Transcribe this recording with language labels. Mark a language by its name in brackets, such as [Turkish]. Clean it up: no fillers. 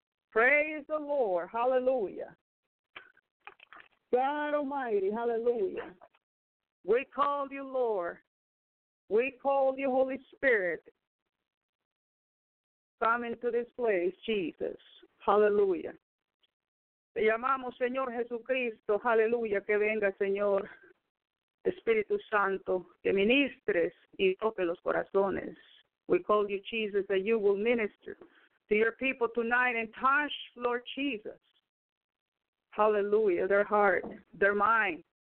[English] Praise the Lord. Hallelujah. God Almighty. Hallelujah. We call you Lord. We call you Holy Spirit. Come into this place, Jesus. Hallelujah. [Spanish] Te llamamos, Señor Jesucristo. Hallelujah. Que venga, Señor. Espíritu Santo, que ministres y toque los corazones. [English] We call you, Jesus, that you will minister to your people tonight and touch, Lord Jesus. Hallelujah, their heart, their mind.